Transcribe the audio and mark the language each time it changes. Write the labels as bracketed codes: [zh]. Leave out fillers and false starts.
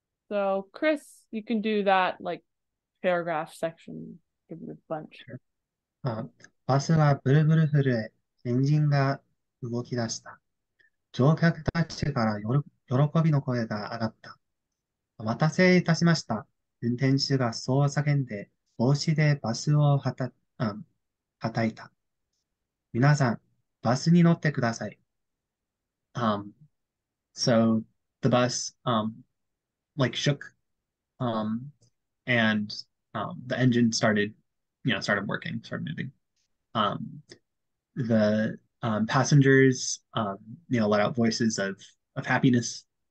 [en] So Chris, you can do that like paragraph section, give me a bunch. Sure. [ja] バスはブルブル震え、エンジンが動き出した。乗客たちから喜びの声が上がった。お待たせいたしました。運転手がそう叫んで、帽子でバスをはたいた。皆さん、バスに乗ってください。 [en] So the bus, like shook, and the engine started working, started moving. The passengers, let out voices of happiness.